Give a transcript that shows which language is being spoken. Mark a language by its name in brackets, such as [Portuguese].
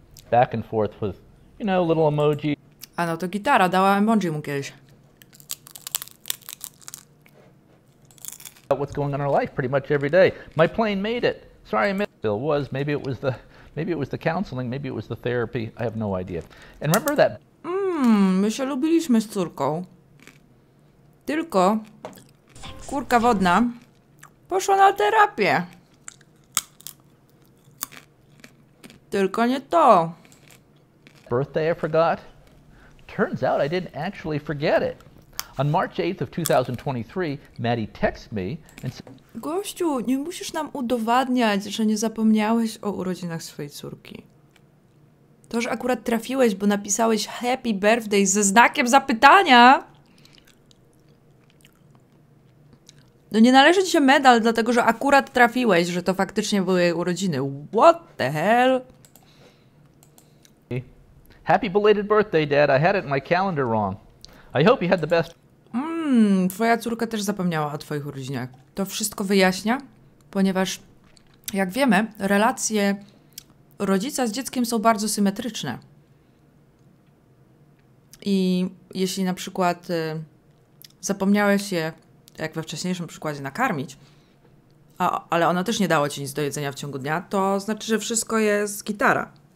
[English] Back and forth with, you know, little emoji. [Polish] A no to gitara, dała emoji mu kiedyś. [English] What's going on in our life pretty much every day. My plane made it. Sorry I missed it. It was. Maybe it was the counseling. Maybe it was the therapy. I have no idea. And remember that... [Polish] My się lubiliśmy z córką. Tylko kurka wodna poszła na terapię. Tylko nie to. [English] Birthday I forgot? Turns out I didn't actually forget it. On March 8th of 2023, Maddie texts me and says... [Polish] Gościu, nie musisz nam udowadniać, że nie zapomniałeś o urodzinach swojej córki. To, że akurat trafiłeś, bo napisałeś happy birthday ze znakiem zapytania. No nie należy ci się medal, dlatego że akurat trafiłeś, że to faktycznie były jej urodziny. [English] What the hell? Happy belated birthday, Dad. I had it in my calendar wrong. I hope you had the best... [Polish] Twoja córka też zapomniała o twoich urodzinach. To wszystko wyjaśnia, ponieważ, jak wiemy, relacje rodzica z dzieckiem są bardzo symetryczne. I jeśli na przykład zapomniałeś je, jak we wcześniejszym przykładzie, nakarmić, ale ona też nie dała ci nic do jedzenia w ciągu dnia, to znaczy, że wszystko jest gitara.